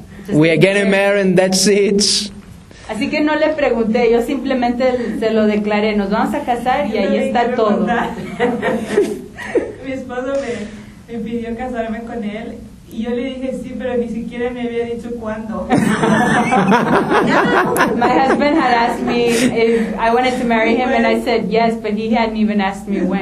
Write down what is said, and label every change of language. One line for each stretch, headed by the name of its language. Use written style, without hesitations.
English: We are getting married and that's it.
Spanish: Así que no le pregunté, yo simplemente se lo declaré. Nos vamos a casar y ahí está todo. Mi esposo me pidió casarme con él y yo le dije sí, pero ni siquiera me había dicho cuándo.
English: My husband had asked me if I wanted to marry him and I said yes, but he hadn't even asked me when.